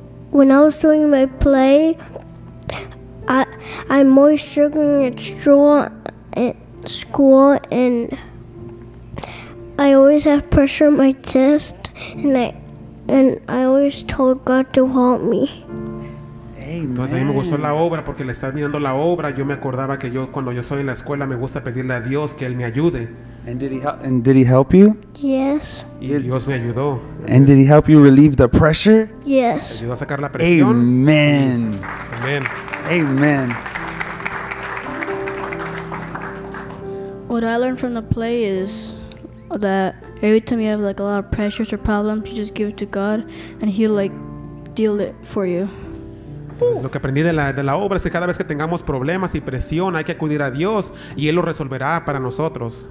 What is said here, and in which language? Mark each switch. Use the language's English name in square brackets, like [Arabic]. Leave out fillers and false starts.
[English] When I was doing my play, I'm more struggling at school, and I always have pressure on my chest, and I always told God to help me. [Spanish] Entonces a mí me gustó la obra porque le estaba mirando la obra. Yo me acordaba que yo cuando yo estoy en la escuela me gusta pedirle a Dios que Él me ayude. [English] And did he help you? Yes. [Spanish] Y Dios me ayudó. [English] And did he help you relieve the pressure? Yes. [Spanish] Ayudó a sacar la presión. [English] Amen. Amen. Amen. What I learned from the play is that every time you have like a lot of pressures or problems, you just give it to God and He'll like deal it for you. [Spanish] Lo que aprendí de la obra es que cada vez que tengamos problemas y presión, hay que acudir a Dios y Él lo resolverá para nosotros.